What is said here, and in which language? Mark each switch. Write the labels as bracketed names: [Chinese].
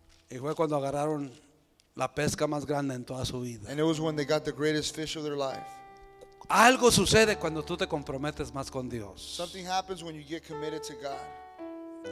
[Spanish] Y fue cuando agarraron la pesca más grande en toda su vida. [English] And it was when they got the greatest fish of their life. [Spanish] Algo sucede cuando tú te comprometes más con Dios. [English] Something happens when you get committed to God.